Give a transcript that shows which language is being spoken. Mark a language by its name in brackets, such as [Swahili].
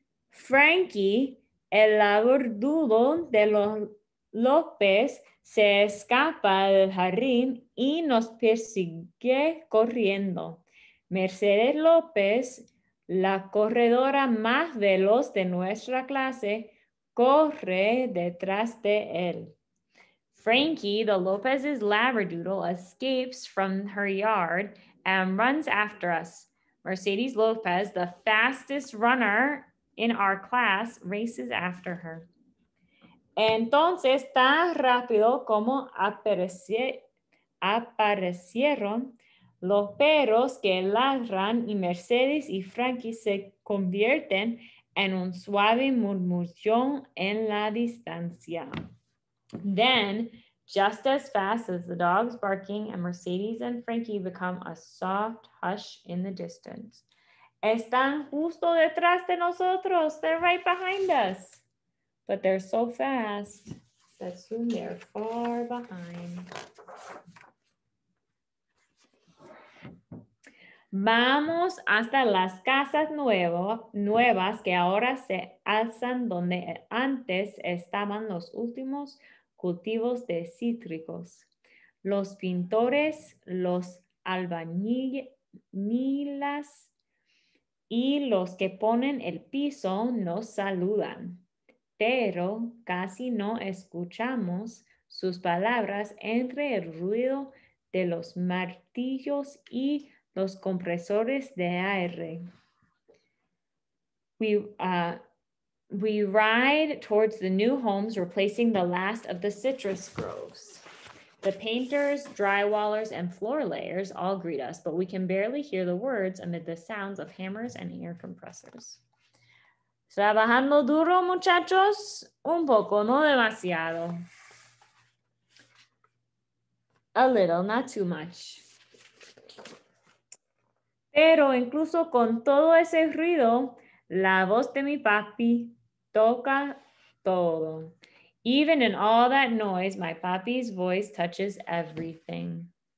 [Spanish] Frankie, el labrador de los López, se escapa del jardín y nos persigue corriendo. Mercedes López, la corredora más veloz de nuestra clase, corre detrás de él. [English] Frankie, the López's labradoodle, escapes from her yard and runs after us. Mercedes López, the fastest runner in our class, races after her. [Spanish] Entonces, tan rápido como aparecieron los perros que ladran y Mercedes y Frankie se convierten en un suave murmullo en la distancia. [English] Then, just as fast as the dogs barking and Mercedes and Frankie become a soft hush in the distance. [Spanish] Están justo detrás de nosotros. [English] They're right behind us. But they're so fast that soon they're far behind. [Spanish] Vamos hasta las casas nuevas que ahora se alzan donde antes estaban los últimos cultivos de cítricos. Los pintores, los albañiles y los que ponen el piso nos saludan, pero casi no escuchamos sus palabras entre el ruido de los martillos y los compresores de aire. [English] We ride towards the new homes, replacing the last of the citrus groves. The painters, drywallers, and floor layers all greet us, but we can barely hear the words amid the sounds of hammers and air compressors. [Spanish] ¿Trabajando duro, muchachos? Un poco, no demasiado. [English] A little, not too much. [Spanish] Pero incluso con todo ese ruido, la voz de mi papi toca todo. [English] Even in all that noise, my papi's voice touches everything.